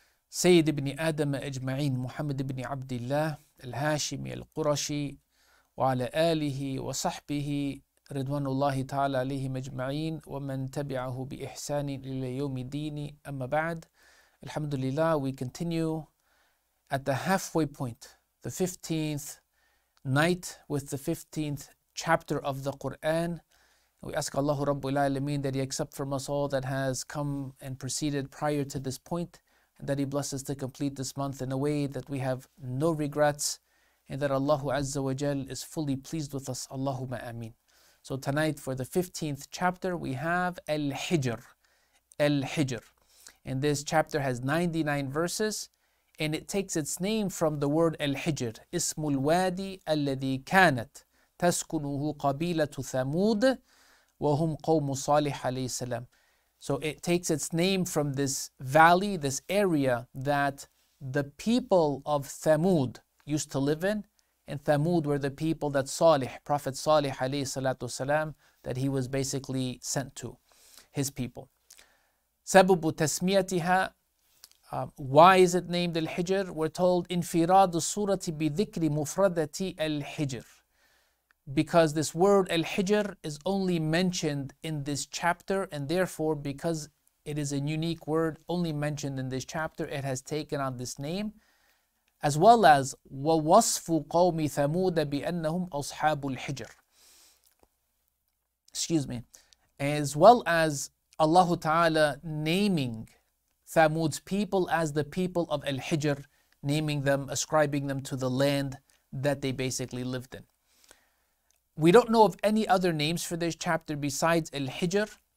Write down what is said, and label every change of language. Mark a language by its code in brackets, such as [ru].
[ar] سيد ابن آدم أجمعين محمد بن عبد الله الهاشمي القرشي وعلى آله وصحبه رضوان الله تعالى عليهم أجمعين ومن تبعه بإحسان إلى يوم الدين أما بعد الحمد لله [en] we continue at the halfway point The 15th night with the 15th chapter of the Qur'an. We ask Allah Rabbul Alameen that He accept from us all that has come and proceeded prior to this point, and that He bless us to complete this month in a way that we have no regrets, and that Allah Azza wa Jal is fully pleased with us. Allahumma Ameen. So tonight for the 15th chapter, we have Al-Hijr. Al-Hijr. And this chapter has 99 verses. And it takes its name from the word Al-Hijr, [ar] اسم الوادي الذي كانت تسكنه قبيلة ثمود وهم قوم صالح عليه السلام. [en] So it takes its name from this valley, this area that the people of ثمود used to live in. And ثمود were the people that صالح, Prophet صالح عليه الصلاة والسلام, that he was basically sent to, his people. [ar] سبب تسميتها [en] why is it named Al-Hijr? We're told [ar] انفراد السورة بذكر مفردة Al-Hijr. [en] Because this word Al-Hijr is only mentioned in this chapter, and therefore because it is a unique word only mentioned in this chapter, it has taken on this name. As well as [ar] ووصف قوم ثمود بأنهم أصحاب الحجر. [en] Excuse me. As well as Allah Ta'ala naming Thamud's people as the people of Al-Hijr, naming them, ascribing them to the land that they basically lived in. We don't know of any other names for this chapter besides Al-Hijr.